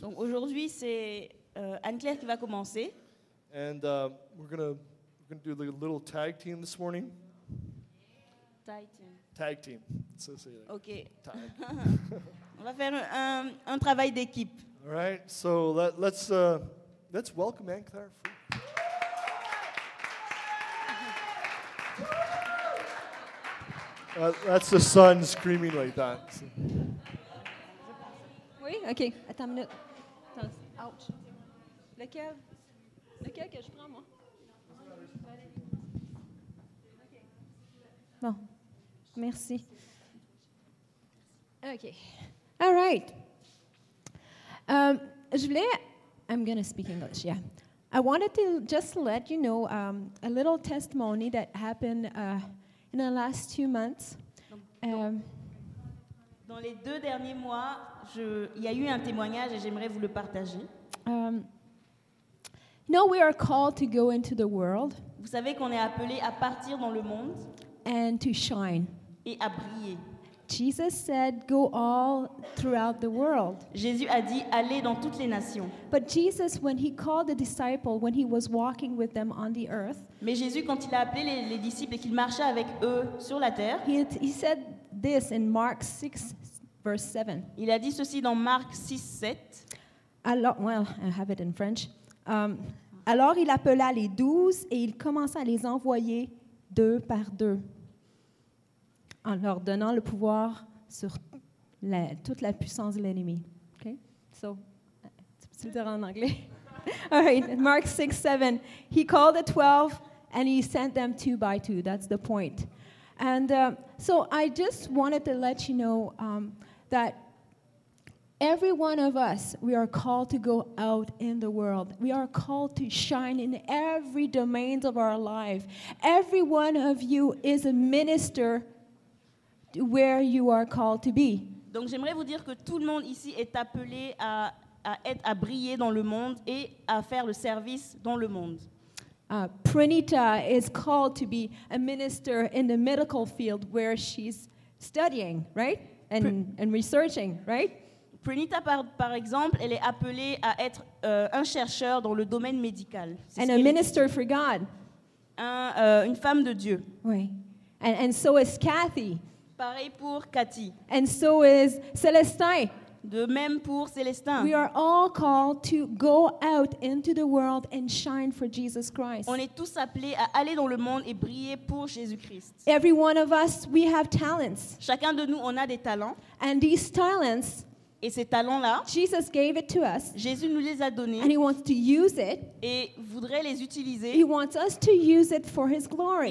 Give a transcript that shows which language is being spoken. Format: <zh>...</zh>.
<fr>Donc aujourd'hui, c'est Anne-Claire qui va commencer.</fr> <en>And we're going to do the little tag team this morning. Tag team. So say that. Okay. Tag.</en> <fr>On va faire un travail d'équipe.</fr> <en>All right. So let's welcome Anne-Claire. That's the son screaming like that. So.</en> <fr>Ok, attends une minute. Attends. Ouch. Lequel que je prends, moi? Bon, merci. Ok.</fr> <en>All right. I'm going to speak English, yeah. I wanted to just let you know a little testimony that happened in the last 2 months.</en> <fr>Dans les deux derniers mois, il y a eu un témoignage et j'aimerais vous le partager.</fr> <en>We are called to go into the world.</en> <fr>Vous savez qu'on est appelé à partir dans le monde.</fr> <en>And to shine.</en> <fr>Et à briller.</fr> <en>Jesus said, "Go all throughout the world."</en> <fr>Jésus a dit, allez dans toutes les nations.</fr> <en>But Jesus, when he called the disciples, when he was walking with them on the earth.</en> <fr>Mais Jésus, quand il a appelé les disciples et qu'il marchait avec eux sur la terre.</fr> <en>He said. This in Mark 6, verse 7.</en> <fr>Il a dit ceci dans Marc 6, 7.</fr> <en>I have it in French.</en> <fr>Alors il appela les douze et il commença à les envoyer deux par deux, en leur donnant le pouvoir sur toute la puissance de l'ennemi.</fr> <en>Okay? So,</en> <fr>tu le diras en anglais.</fr> <en>All right, Mark 6, 7. He called the 12 and he sent them two by two. That's the point. And so I just wanted to let you know that every one of us, we are called to go out in the world. We are called to shine in every domain of our life. Every one of you is a minister where you are called to be.</en> <fr>Donc j'aimerais vous dire que tout le monde ici est appelé à briller dans le monde et à faire le service dans le monde.</fr> <en>Pranita is called to be a minister in the medical field where she's studying, right? And researching, right?</en> <fr>Pranita, par exemple, elle est appelée à être un chercheur dans le domaine médical.</fr> <en>And a minister for God.</en> <fr>Une femme de Dieu.</fr> <en>Oui. And so is Kathy.</en> <fr>Pareil pour Cathy.</fr> <en>And so is Celestine.</en> <fr>De même pour Célestin.</fr> <en>We are all called to go out into the world and shine for Jesus Christ.</en> <fr>On est tous appelés à aller dans le monde et briller pour Jésus-Christ.</fr> <en>Every one of us, we have talents.</en> <fr>Chacun de nous, on a des talents.</fr> <en>And these talents,</en> <fr>et ces talents-là,</fr> <en>Jesus gave it to us.</en> <fr>Jésus nous les a donnés.</fr> <en>And he wants to use it.</en> <fr>Et voudrait les utiliser.</fr> <en>He wants us to use it for his glory.</en>